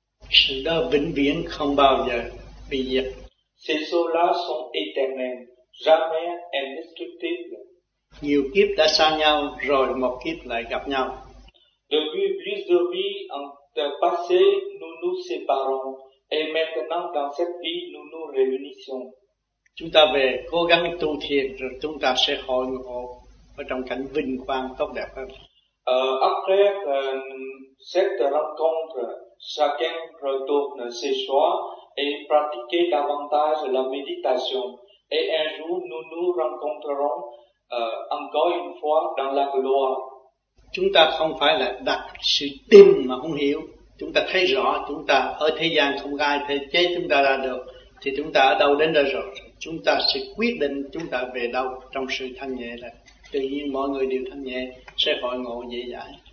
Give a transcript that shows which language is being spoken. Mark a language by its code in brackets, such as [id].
[vi] Sự đó vĩnh viễn không bao giờ bị diệt. [fr] Ces choses-là sont éternelles, jamais indestructibles. [vi] Nhiều kiếp đã xa nhau rồi một kiếp lại gặp nhau. [fr] Depuis plusieurs vies en passé, nous nous séparons et maintenant dans cette vie nous nous réunissons. [vi] Chúng ta về cố gắng tu thiền rồi chúng ta sẽ hội ngộ ở trong cảnh vinh quang tốt đẹp hơn. [fr] Après cette rencontre, chacun retourne chez soi et pratique davantage la méditation et un jour nous nous rencontrerons. Encore une fois, dans la gloire. [vi] Chúng ta không phải là đặt sự tin mà không hiểu. Chúng ta thấy rõ, chúng ta ở thế gian không ai thể chế chúng ta ra được. Thì chúng ta ở đâu đến đây rồi? Chúng ta sẽ quyết định chúng ta về đâu trong sự thanh nhẹ là. Tự nhiên mọi người đều thanh nhẹ, sẽ hội ngộ dễ dãi.